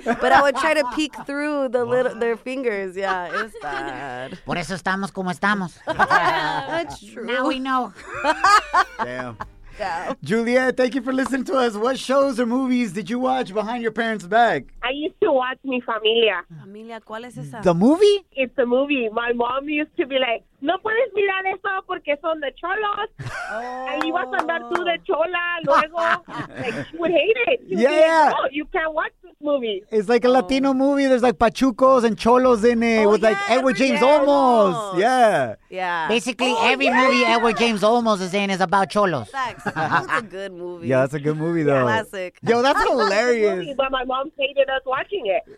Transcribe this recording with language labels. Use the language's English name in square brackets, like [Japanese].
[English] But I would try to peek through the little their fingers. Yeah, it was bad. [Spanish] Por eso estamos como estamos. [English] That's true. Now we know. Damn. Juliet, thank you for listening to us. What shows or movies did you watch behind your parents' back? I used to watch Mi Familia. [Spanish] Familia, ¿cuál es esa? [English] The movie? It's the movie. My mom used to be like, [Spanish] no puedes mirar eso porque son de cholos. Y vas a andar tú de chola luego. [English] Like, you would hate it. You'd yeah, be like, yeah. No, you can't watch this movie. It's like a Latino movie. There's like pachucos and cholos in it with like Edward James Olmos. Yeah. Yeah. Basically, every movie Edward James Olmos is in is about cholos. That's a good movie. Yeah, that's a good movie, though. Yeah, classic. Yo, that's hilarious. But my mom hated us watching it.